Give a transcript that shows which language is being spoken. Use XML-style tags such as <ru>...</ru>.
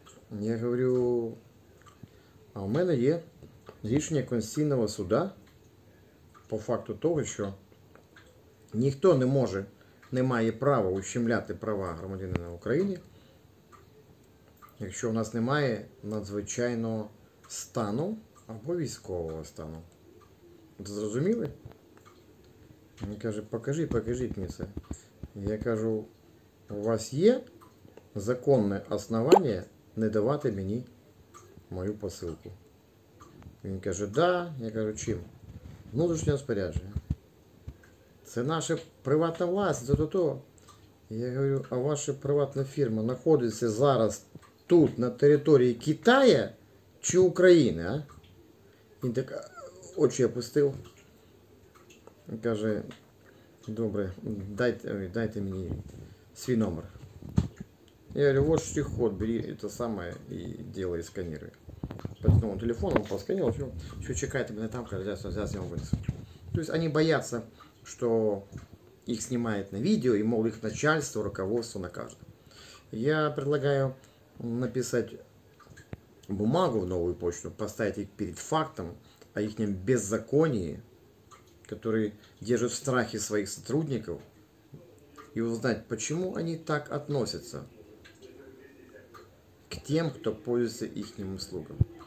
<ru>Я говорю, а у меня есть решение Конституционного суда по факту того, что никто не может, не имеет права ущемлять права гражданина Украины, если у нас нет</ru> <uk>надзвичайного стану або військового стану.</uk> <ru>Это</ru> <uk>зрозуміли?</uk> <ru>Он говорит, покажите мне это. Я говорю, у вас есть законное основание не давать мне мою посылку? Он говорит, да. Я говорю, чем?</ru> <uk>Внутрішнє розпорядження. Це наша приватна власність, то-то-то. Я говорю, а ваша приватна фірма знаходиться зараз тут, на території Китаю чи України, а? Він так очі опустив. Він каже, добре, дайте мені свій номер. Я говорю, ось штрих-код, бери те саме і робити сканери.</uk> <ru>Поэтому телефоном просканил, еще чекает именно там, когда взял с него вынес. То есть они боятся, что их снимают на видео, и, мол, их начальство, руководство накажет. Я предлагаю написать бумагу в новую почту, поставить их перед фактом о их беззаконии, которые держат в страхе своих сотрудников, и узнать, почему они так относятся к тем, кто пользуется их услугами.</ru>